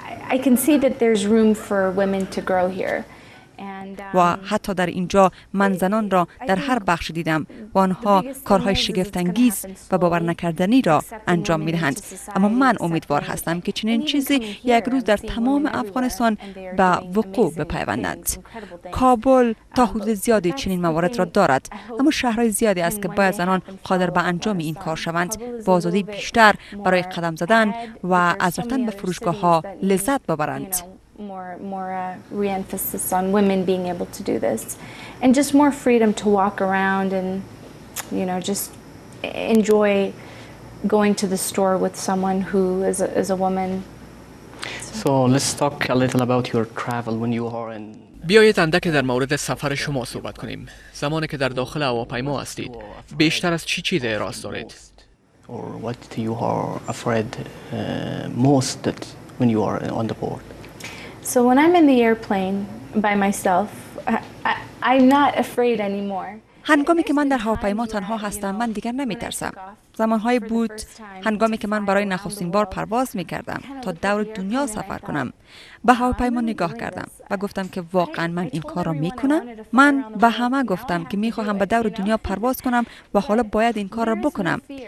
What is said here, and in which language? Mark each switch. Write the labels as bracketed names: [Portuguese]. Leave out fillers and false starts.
[English] I can see that there's room for women to grow here. [Persian] و حتی در اینجا من زنان را در هر بخش دیدم و آنها کارهای شگفت‌انگیز و باور نکردنی را انجام می‌دهند. اما من امیدوار هستم که چنین چیزی یک روز در تمام افغانستان به وقوع بپیوندد. کابل تا حدود زیادی چنین موارد را دارد، اما شهرهای زیادی است که باید زنان قادر به انجام این کار شوند. با آزادی بیشتر برای قدم زدن و از رفتن به فروشگاه‌ها لذت ببرند. [English] Re-emphasis on women being able to do this and just more freedom to walk around and you know just enjoy going to the store with someone who is a woman. So let's talk a little about your travel when you are in. [Persian] بیایید اندکی در مورد سفر شما صحبت کنیم. زمانی که در داخل هواپیما هستید بیشتر از چی چیز احساس دارید؟ [English] Or what do you are afraid most that when you are on the board? So when I'm in the airplane by myself, I'm not afraid anymore. [Persian] هنگامی که من در هواپیما تنها هستم، من دیگر نمی‌ترسم. زمانهایی بود هنگامی که من برای نخستین بار پرواز می‌کردم تا دور دنیا سفر کنم، به هواپیما نگاه کردم و گفتم که واقعا من این کار را می‌کنم. من به همه گفتم که می‌خواهم به دور دنیا پرواز کنم و حالا باید این کار را بکنم.